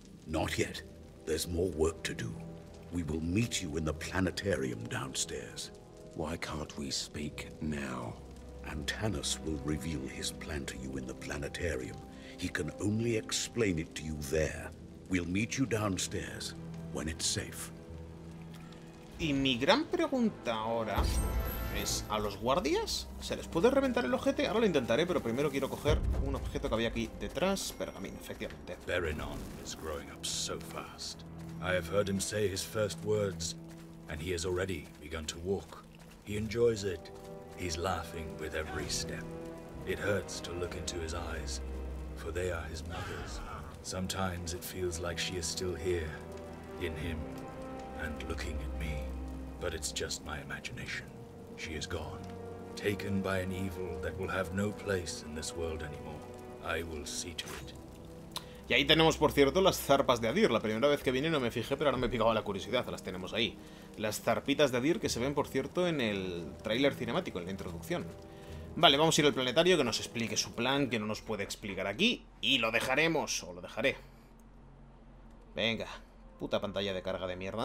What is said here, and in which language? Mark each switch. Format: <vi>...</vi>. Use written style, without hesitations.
<en>Not yet. There's more work to do. We will meet you in the planetarium downstairs. Why can't we speak now? Antanas will reveal his plan to you in the planetarium. He can only explain it to you there. We'll meet you downstairs when it's safe.</en> <es>Y mi gran pregunta ahora es, ¿a los guardias? ¿Se les puede reventar el ojete? Ahora lo intentaré, pero primero quiero coger un objeto que había aquí detrás. Pergamino, efectivamente.</es> <en>Berenon is growing up so fast. I have heard him say his first words, and he has already begun to walk. He enjoys it. He's laughing with every step. It hurts to look into his eyes, for they are his mother's. Sometimes it feels like she is still here, in him, and looking at me. But it's just my imagination. She is gone, taken by an evil that will have no place in this world anymore. I will see to it.</en> <es>Y ahí tenemos, por cierto, las zarpas de Adir. La primera vez que vine no me fijé, pero ahora me picaba la curiosidad. Las tenemos ahí. Las zarpitas de Adir que se ven, por cierto, en el tráiler cinemático, en la introducción. Vale, vamos a ir al planetario, que nos explique su plan, que no nos puede explicar aquí. Y lo dejaremos, o lo dejaré. Venga, puta pantalla de carga de mierda.</es>